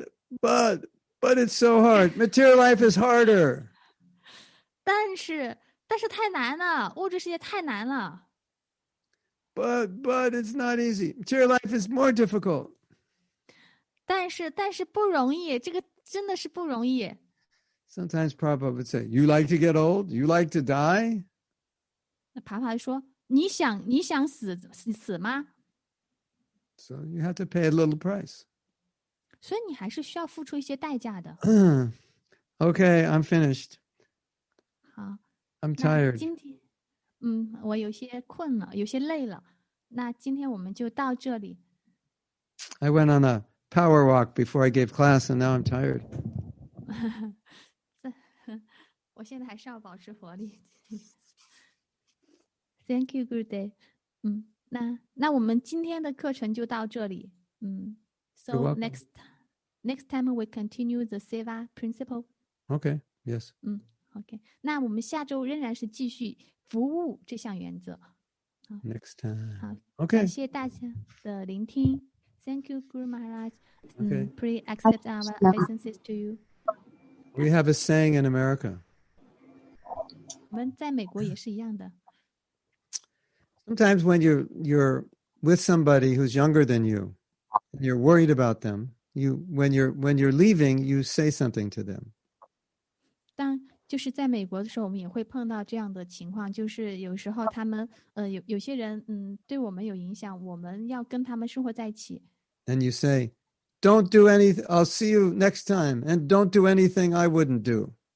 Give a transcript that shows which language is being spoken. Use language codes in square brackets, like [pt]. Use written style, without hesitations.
[en] But it's so hard. Material life is harder. [zh] 但是太难了，物质世界太难了。 [en] But it's not easy. Material life is more difficult. [zh] 但是不容易，这个真的是不容易。 [en] Sometimes Prabhupada would say, you like to get old? You like to die? [zh] 那帕帕说，你想死吗？ [en] So you have to pay a little price. [zh] 所以你还是需要付出一些代价的。 [en] Okay, I'm finished. [zh] 好。 [en] I'm tired. [zh] 我有些困了，有些累了。那今天我们就到这里。 [en] I went on a power walk before I gave class, and now I'm tired. [zh] 我现在还是要保持活力。 [en] Thank you, Gurudev. [zh] 那我们今天的课程就到这里。 [en] So next time we continue the Seva principle. Okay, yes. Okay. [zh] 那我们下周仍然是继续服务这项原则。 [en] Next time. [zh] 好感谢大家的聆听。 [en] Thank you, Guru Maharaj. Okay. Please accept our licenses to you. We have a saying in America. [zh] 我们在美国也是一样的。 [en] Sometimes when you're with somebody who's younger than you, and you're worried about them, when you're leaving, you say something to them. [zh] 当就是在美国的时候，我们也会碰到这样的情况，就是有时候他们有些人对我们有影响，我们要跟他们生活在一起。 [en] And you say, "Don't do anything. I'll see you next time. And don't do anything I wouldn't do."